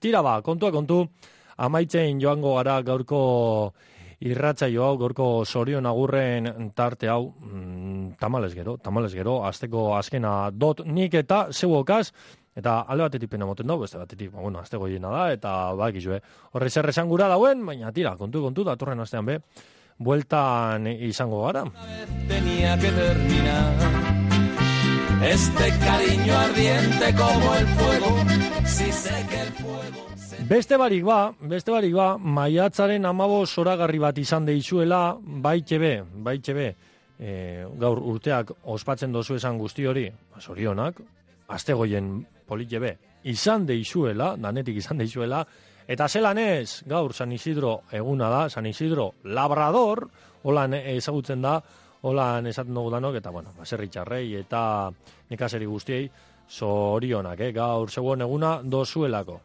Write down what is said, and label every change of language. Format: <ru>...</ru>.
<eu>Tira ba, kontua kontu, amaitzen joango gara gaurko irratzaio hau, gaurko zorion agurren tarte hau, tamales gero, azteko azkena dot nik eta zeuokaz, eta alde batetik pena moten dago, beste batetik, bueno, azte goiena da, eta bakizu, horre zer esan gura dauen, baina tira, kontu, datorren astean be, bueltan izango gara.</eu> <es>Tenia que terminar. Este cariño ardiente como el fuego, si sé que el fuego...</es> <eu>Beste barik ba, maiatzaren 15 zoragarri bat izan deizuela, baitxebe, gaur urteak ospatzen dozu esan guzti hori, zorionak, azte goien politxebe, izan deizuela, danetik izan deizuela, eta zelan ez, gaur San Isidro eguna da, San Isidro Labrador, holan ezagutzen da, holan esaten dugu danok, eta bueno, baserri txarrei, eta nekazeri guztiei, zorionak, gaur zegoen eguna dozuelako.</eu>